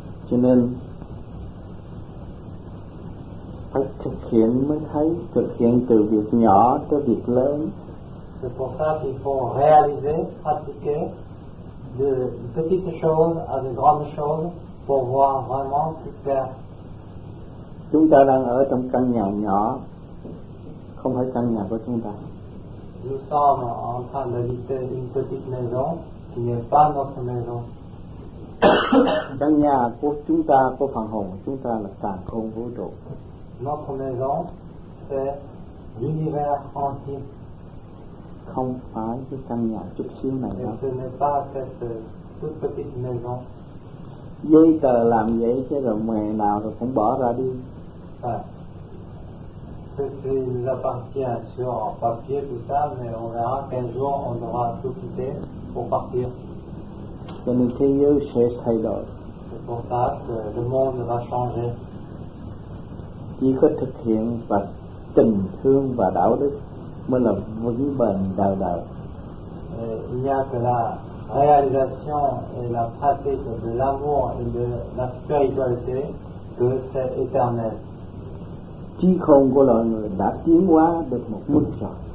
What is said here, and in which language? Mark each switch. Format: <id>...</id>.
<vi>Cho nên phải thực hiện mới thấy, thực hiện từ việc nhỏ tới việc lớn.</vi> <fr>C'est pour ça qu'il faut réaliser, pratiquer de petites choses à de grandes choses pour voir vraiment plus clair.</fr> <vi>Chúng ta đang ở trong căn nhà nhỏ, không phải căn nhà của chúng ta.</vi> <fr>Nous sommes en train d'habiter une petite maison qui n'est pas notre maison.</fr> <vi>Căn nhà của chúng ta, của phần hồn chúng ta là càn khôn vũ trụ.</vi> <fr>Notre maison, c'est l'univers entier.</fr> <vi>Không phải cái căn nhà chút xíu này đâu.</vi> <fr>Ce n'est pas cette toute petite maison.</fr> <vi>Giấy tờ làm vậy chứ rồi mẹ nào rồi cũng bỏ ra đi.</vi> <fr>Ceci nous appartient sur papier tout ça, mais on verra qu'un jour on aura tout quitté pour partir.</fr> <vi>Cho nên thế giới sẽ thay đổi.</vi> <fr>C'est pour ça que le monde va changer.</fr> <vi>Chỉ có thực hiện và tình thương và đạo đức mới là vững bền đời đời.</vi> <fr>Il n'y a que la réalisation et la pratique de l'amour et de la spiritualité que c'est éternel.</fr> <vi>Trí khôn của loài người đã tiến hóa được một mức rồi.</vi>